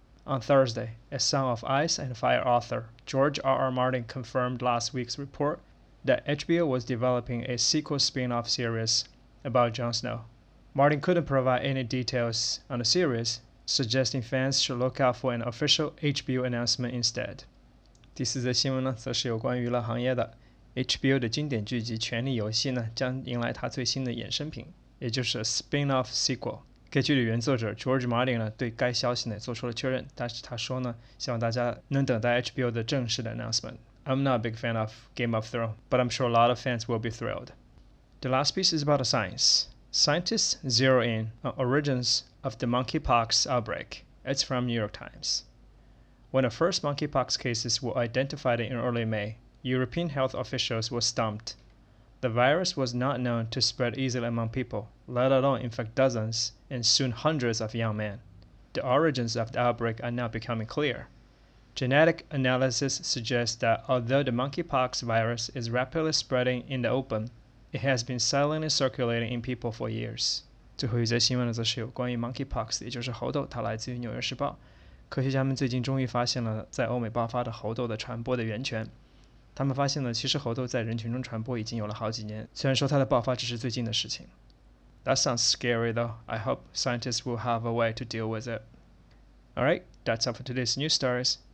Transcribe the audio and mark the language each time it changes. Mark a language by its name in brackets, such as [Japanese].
[English] On Thursday, a Song of Ice and Fire author, George R.R. Martin, confirmed last week's report that HBO was developing a sequel spin-off series about Jon Snow. Martin couldn't provide any details on the series. Suggesting fans should look out for an official HBO announcement instead. [Chinese] 第四则新闻呢，则是有关娱乐行业的。 HBO 的经典剧集《权力游戏》呢，将迎来它最新的衍生品，也就是 spin-off sequel。该剧的原作者 George Martin 呢，对该消息呢做出了确认，但是他说呢，希望大家能等待 HBO 的正式的 announcement. [English] I'm not a big fan of Game of Thrones, but I'm sure a lot of fans will be thrilled. The last piece is about science. Scientists zero in on origins of the monkeypox outbreak. It's from New York Times. When the first monkeypox cases were identified in early May, European health officials were stumped. The virus was not known to spread easily among people, let alone infect dozens and soon hundreds of young men. The origins of the outbreak are now becoming clear. Genetic analysis suggests that although the monkeypox virus is rapidly spreading in the open,It has been silently circulating in people for years. [Chinese] 最后一则新闻呢，则是有关于 monkeypox， 也就是猴痘，它来自于《纽约时报》。科学家们最近终于发现了在欧美爆发的猴痘的传播的源泉。他们发现了，其实猴痘在人群中传播已经有了好几年，虽然说它的爆发只是最近的事情。 [English] That sounds scary, though. I hope scientists will have a way to deal with it. All right, that's all for today's news stories.